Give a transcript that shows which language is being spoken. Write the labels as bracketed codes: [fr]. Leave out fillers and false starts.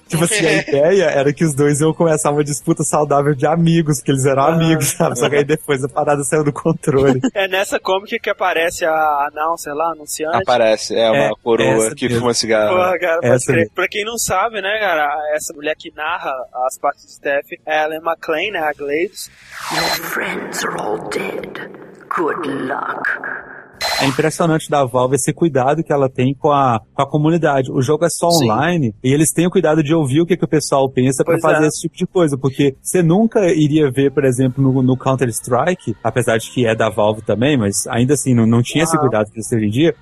[pt] Tipo assim, a ideia era que os dois iam começar uma disputa saudável de amigos, porque eles eram amigos, sabe? Só que aí depois a parada saiu do controle. É nessa comic que aparece a announcer lá, anunciante? Aparece, é uma coroa que fuma cigarro. Porra, cara, essa pode crer. Pra quem não sabe, né, cara, essa mulher que narra as partes de Steph é a Ellen McClain, né, a Glades. [en] Your friends are all dead. Good luck. [pt] É impressionante da Valve esse cuidado que ela tem com a comunidade. O jogo é só, sim, online, e eles têm o cuidado de ouvir o que o pessoal pensa pra fazer esse tipo de coisa, porque você nunca iria ver, por exemplo, no Counter-Strike, apesar de que é da Valve também, mas ainda assim, não tinha esse cuidado que eles têm hoje em dia.